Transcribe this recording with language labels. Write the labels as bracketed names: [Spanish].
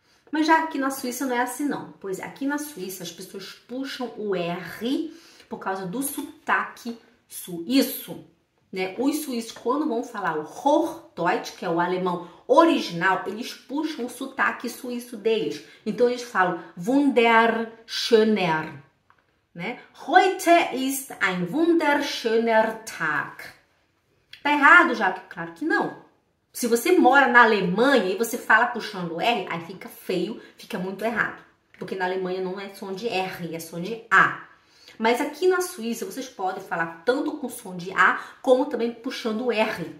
[Portuguese] Mas já aqui na Suíça não é assim, não. Pois é, aqui na Suíça as pessoas puxam o R por causa do sotaque suíço, né? Os suíços, quando vão falar o Hochdeutsch, que é o alemão original, eles puxam o sotaque suíço deles. Então eles falam wunderschöner, né? [German] Heute ist ein wunderschöner Tag. [Portuguese] Tá errado, já que claro que não. Se você mora na Alemanha e você fala puxando o R, aí fica feio, fica muito errado. Porque na Alemanha não é som de R, é som de A. Mas aqui na Suíça vocês podem falar tanto com som de A como também puxando o R.